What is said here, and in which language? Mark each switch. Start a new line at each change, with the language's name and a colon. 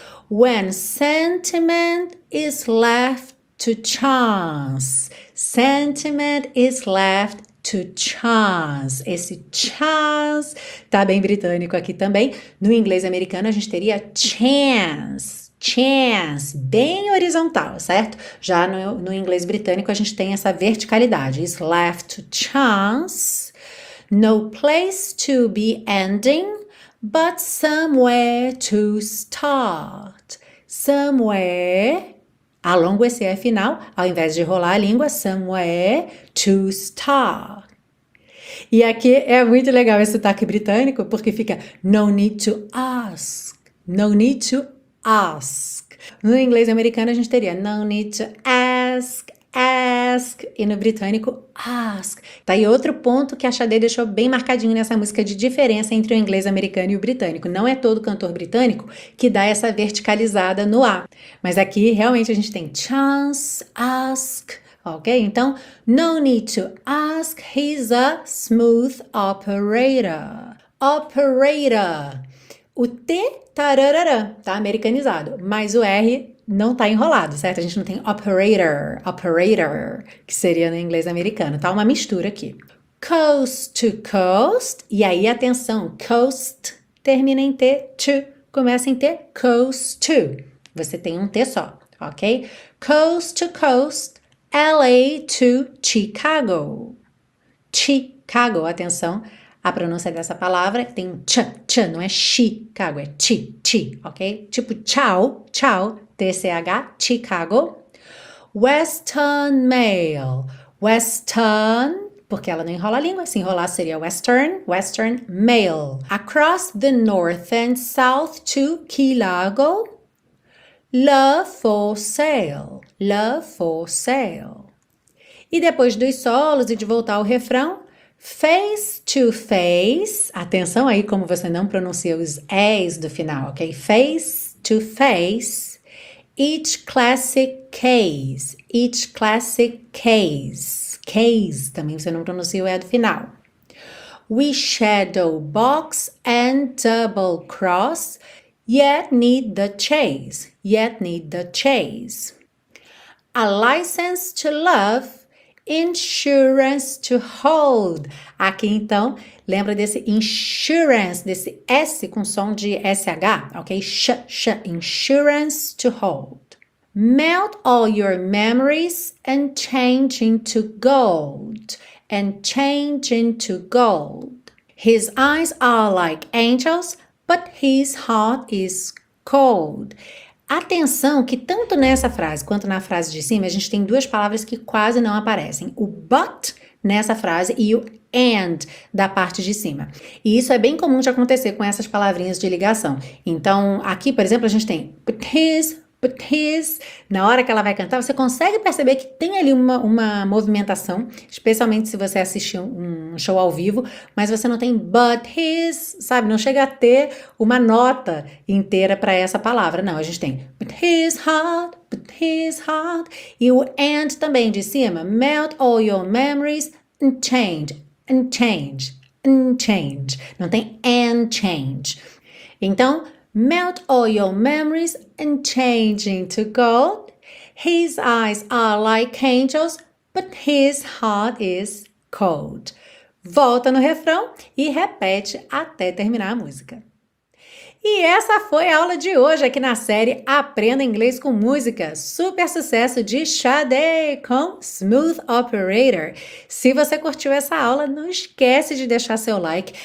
English: When sentiment is left to chance. Sentiment is left to chance.
Portuguese: Esse chance tá bem britânico aqui também. No inglês americano a gente teria chance, chance, bem horizontal, certo? Já no inglês britânico a gente tem essa verticalidade.
English: It's left to chance, no place to be ending, but somewhere to start.
Portuguese: Somewhere. Alongo esse E final, ao invés de rolar a língua,
English: somewhere to start.
Portuguese: E aqui é muito legal esse sotaque britânico, porque fica
English: no need to ask,
Portuguese: no need to ask. No inglês americano a gente teria
English: no need to ask,
Portuguese: ask, e no britânico ask. Tá aí outro ponto que a Sade deixou bem marcadinho nessa música de diferença entre o inglês americano e o britânico. Não é todo cantor britânico que dá essa verticalizada no A. Mas aqui realmente a gente tem chance, ask.
English: Ok,
Portuguese: então,
English: no need to ask, he's a smooth operator. Operator.
Portuguese: O T, tararara, tá americanizado, mas o R não tá enrolado, certo? A gente não tem operator, operator, que seria no inglês americano, tá? Uma mistura aqui.
English: Coast to coast,
Portuguese: e aí atenção, coast termina em T, to, começa em T, coast to. Você tem um T só, ok?
English: Coast to coast. LA to Chicago.
Portuguese: Chicago, atenção, a pronúncia dessa palavra tem um tch, não é Chicago, é chi, ok? Tipo tchau, tchau, TCH, Chicago. Western Mail. Western, porque ela não enrola a língua, se enrolar seria Western, Western Mail.
English: Across the North and South to Key Largo. Love for sale. Love for sale.
Portuguese: E depois dos solos e de voltar ao refrão,
English: face to face,
Portuguese: atenção aí como você não pronuncia os S do final, ok?
English: Face to face, each classic case, each classic case, case,
Portuguese: também você não pronuncia o E do final.
English: We shadow box and double cross, yet need the chase, yet need the chase. A license to love, insurance to hold.
Portuguese: Aqui então, lembra desse insurance, desse S com som de SH, ok?
English: Sh, insurance to hold. Melt all your memories and change into gold. And change into gold. His eyes are like angels, but his heart is cold.
Portuguese: Atenção que tanto nessa frase quanto na frase de cima, a gente tem duas palavras que quase não aparecem. O but nessa frase e o and da parte de cima. E isso é bem comum de acontecer com essas palavrinhas de ligação. Então, aqui, por exemplo, a gente tem
English: but his
Portuguese: His, na hora que ela vai cantar, você consegue perceber que tem ali uma movimentação, especialmente se você assistir um show ao vivo, mas você não tem
English: but his,
Portuguese: sabe? Não chega a ter uma nota inteira para essa palavra. Não, a gente tem
English: but his heart, but his heart.
Portuguese: E o and também de cima.
English: Melt all your memories and change, and change, and change.
Portuguese: Não tem
English: and change.
Portuguese: Então,
English: melt all your memories and change into gold. His eyes are like angels, but his heart is cold.
Portuguese: Volta no refrão e repete até terminar a música. E essa foi a aula de hoje aqui na série Aprenda Inglês com Música, super sucesso de Sade com Smooth Operator. Se você curtiu essa aula, não esquece de deixar seu like.